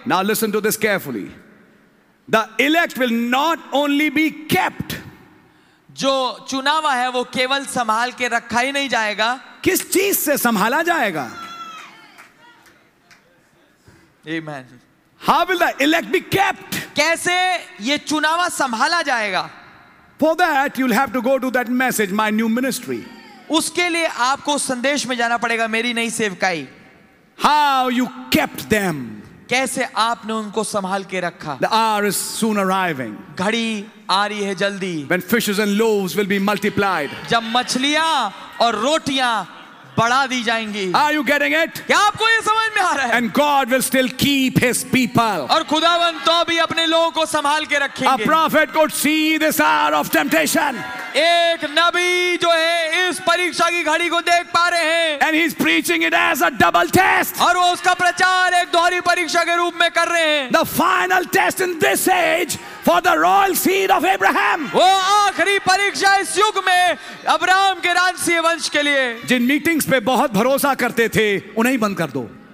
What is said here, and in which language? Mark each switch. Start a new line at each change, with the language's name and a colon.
English: Now listen to this carefully. The elect will not only be kept.
Hindi: जो चुनावा है वो केवल संभाल के रखा ही नहीं जाएगा. किस चीज से संभाला जाएगा?
English: Amen. How will the elect be kept?
Hindi: कैसे ये चुनावा संभाला जाएगा?
English: For that you'll have to go to that message, my new ministry.
Hindi: उसके लिए आपको संदेश में जाना पड़ेगा मेरी नई सेवकाई.
English: How you kept them?
Hindi: कैसे आपने उनको संभाल के रखा?
English: The hour is soon arriving.
Hindi: घड़ी आ रही है जल्दी.
English: When fishes and loaves will be multiplied.
Hindi: जब मछलियां और रोटियां बढ़ा दी जाएंगी.
English: Are you getting it?
Hindi: क्या आपको ये समझ में आ रहा है?
English: And God will still keep His people.
Hindi: और खुदावंत तो भी अपने लोगों को संभाल के रखेंगे.
English: A prophet could see this hour of temptation.
Hindi: एक नबी जो है इस परीक्षा की घड़ी को देख पा रहे हैं.
English: And he's preaching it as a double test.
Hindi: और वो उसका प्रचार एक दोहरी परीक्षा के रूप में कर रहे हैं.
English: The final test in this age for the royal seed of Abraham.
Hindi: वो आखिरी परीक्षा इस युग में अब्राहम के राजसीय वंश के लिए. जिन मीटिंग्स पे बहुत भरोसा करते थे उन्हें ही बंद कर दो.